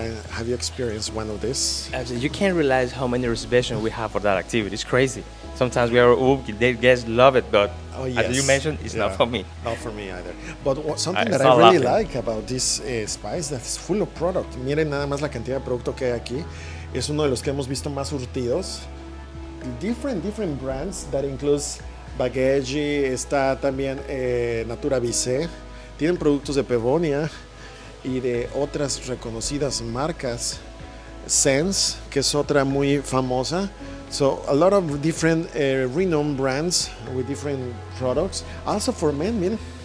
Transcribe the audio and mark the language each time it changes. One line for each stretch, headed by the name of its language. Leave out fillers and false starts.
English: Have you experienced one of this? Absolutely. You can't realize how many reservations we have for that activity. It's crazy. Sometimes we are, the guests love it, but as you mentioned, it's not for me. Not for me either. But something that I really laughing. Like about this spa is that it's full of product.
Spanish: Miren nada más la cantidad de producto que hay aquí. Es uno de los que hemos visto más surtidos.
English: Different brands that includes Baggage,
Spanish: está también
English: Natura Vise.
Spanish: Tienen productos de Pevonia y de otras reconocidas marcas. Sense, que es otra muy famosa.
English: So a lot of different renowned brands with different products. Also for men, miren.